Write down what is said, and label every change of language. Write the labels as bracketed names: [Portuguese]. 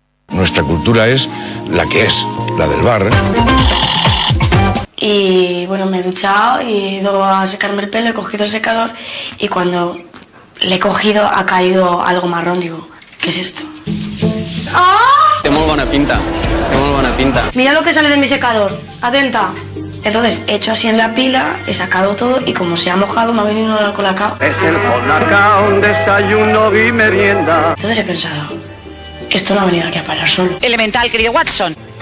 [Spanish] Nuestra cultura es la que es, la del bar. Y bueno, me he duchado y he ido a secarme el pelo, he cogido el secador y cuando le he cogido ha caído algo marrón, digo, ¿qué es esto? ¡Ah! [Catalan] Té molt bona pinta, té molt bona pinta. [Spanish] Mira lo que sale de mi secador, atenta. Entonces, he hecho así en la pila, he sacado todo y como se ha mojado me ha venido el colacao. Es el colacao, un desayuno y merienda. Entonces he pensado, esto no ha venido aquí a parar solo. Elemental, querido Watson.